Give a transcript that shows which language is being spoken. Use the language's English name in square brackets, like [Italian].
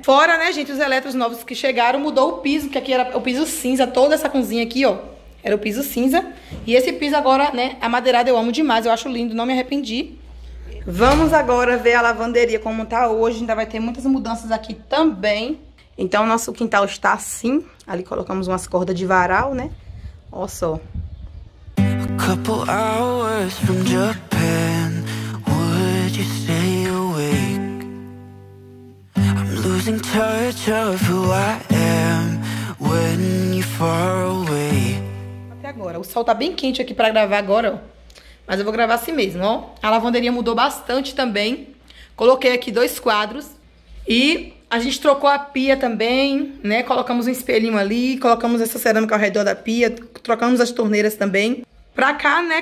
[Portuguese] Fora, né, gente, os eletros novos que chegaram, mudou o piso, que aqui era o piso cinza, toda essa cozinha aqui, ó. Era o piso cinza. E esse piso agora, né, amadeirado, eu amo demais, eu acho lindo, não me arrependi. Vamos agora ver a lavanderia como tá hoje. Ainda vai ter muitas mudanças aqui também. Então, nosso quintal está assim. Ali colocamos umas cordas de varal, né? Ó só. [English] A couple hours from Japan. Would you stay awake? I'm losing touch of who I am when you're far away. [Portuguese] Até agora. O sol tá bem quente aqui pra gravar agora, ó. Mas eu vou gravar assim mesmo, ó. A lavanderia mudou bastante também. Coloquei aqui dois quadros. E a gente trocou a pia também, né? Colocamos um espelhinho ali. Colocamos essa cerâmica ao redor da pia. Trocamos as torneiras também. Pra cá, né?